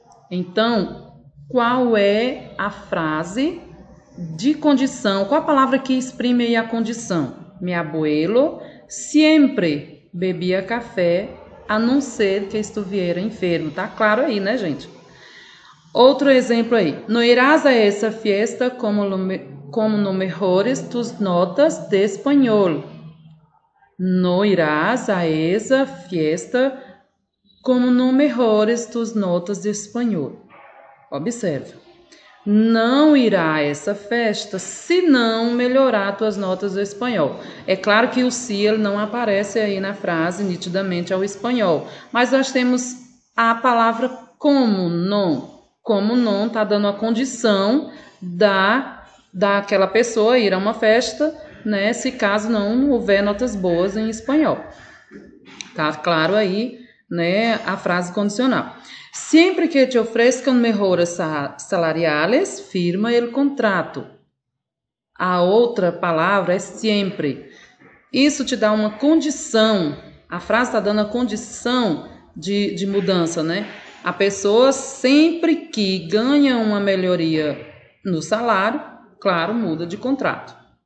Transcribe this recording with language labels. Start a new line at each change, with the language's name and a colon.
Portuguese: Então, qual é a frase de condição? Qual a palavra que exprime aí a condição? Mi abuelo sempre bebia café, a não ser que estivesse enfermo. Tá claro aí, né, gente? Outro exemplo aí.
Spanish: No irás a essa fiesta como no mejores tus notas de espanhol. No irás a essa fiesta como no mejores tus notas de espanhol.
Portuguese: Observe. Não irá a essa festa se não melhorar tuas notas de espanhol. É claro que o si ele não aparece aí na frase nitidamente ao espanhol, mas nós temos a palavra como, não. Como não está dando a condição daquela pessoa ir a uma festa, né? Se caso não houver notas boas em espanhol. Tá claro aí, né? A frase condicional.
Spanish: Sempre que te ofrezcan mejoras salariales, firma el contrato.
Portuguese: A outra palavra é sempre. Isso te dá uma condição. A frase está dando a condição de mudança, né? A pessoa sempre que ganha uma melhoria no salário, claro, muda de contrato.